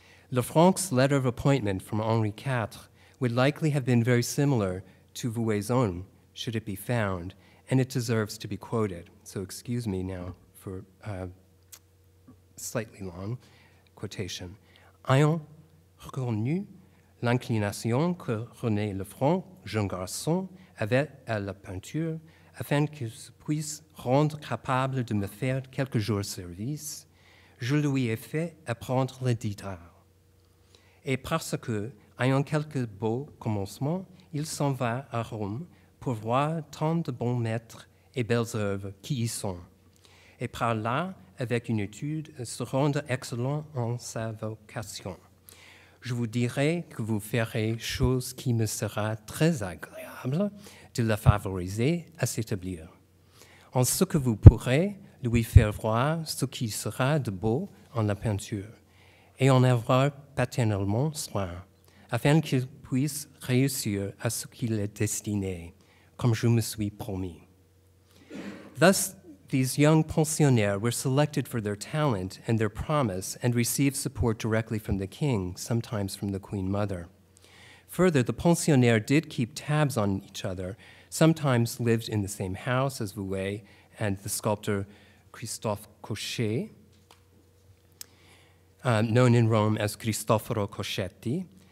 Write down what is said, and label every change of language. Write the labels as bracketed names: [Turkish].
[English] Lefranc's letter of appointment from Henri IV would likely have been very similar to Vouet's own, should it be found, and it deserves to be quoted. So excuse me now for a slightly long quotation. [French] Ayant reconnu l'inclination que René Lefranc, jeune garçon, avait à la peinture, afin que je puisse rendre capable de me faire quelques jours service, je lui ai fait apprendre le guitare. Et parce que, ayant quelques beaux commencements, il s'en va à Rome pour voir tant de bons maîtres et belles œuvres qui y sont, et par là, avec une étude, se rendre excellent en sa vocation. Je vous dirai que vous ferez chose qui me sera très agréable de la favoriser à s'établir. En ce que vous pourrez lui faire voir ce qui sera de beau en la peinture, et en avoir paternellement soin, afin qu'il puisse réussir à ce qu'il est destiné, comme je me suis promis. [English] Thus, these young pensionnaires were selected for their talent and their promise and received support directly from the king, sometimes from the queen mother. Further, the pensionnaires did keep tabs on each other, sometimes lived in the same house as Vouet and the sculptor Christophe Cochet, known in Rome as Cristoforo Coschetti.